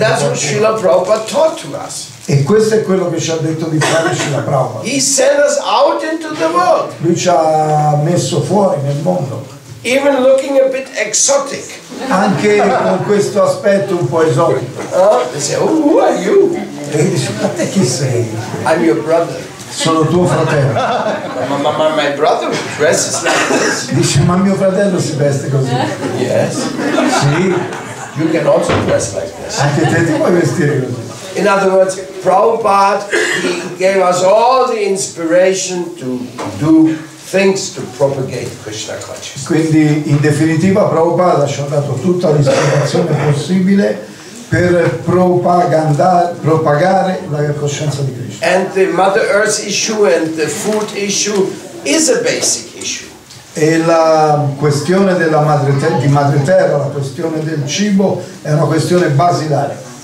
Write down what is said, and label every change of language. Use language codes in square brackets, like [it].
[en] And that's what Srila Prabhupada taught to us. [it] E questo è quello che ci ha detto di fare Srila Prabhupada. [en] He sent us out into the world. [it] Lui ci ha messo fuori nel mondo. [en] Even looking a bit exotic. [it] Anche con questo aspetto un po' esotico. [en] They say, oh, who are you? [it] E dice, ma te chi sei? [en] I'm your brother. [it] Sono tuo fratello. [en] My brother dresses like this. [it] Dice, ma mio fratello si veste così. [en] Yes. [it] Sì. [en] You can also dress like this. [it] Anche te ti puoi vestire così. [en] In other words, Prabhupada, he gave us all the inspiration to do things to propagate Krishna consciousness. [it] Quindi, in definitiva, Prabhupada ci ha dato tutta l'ispirazione possibile per propagare la coscienza di Krishna. [en] And the Mother Earth issue and the food issue is a basic issue. [it] E la questione della madre terra, la questione del cibo è una questione basilare.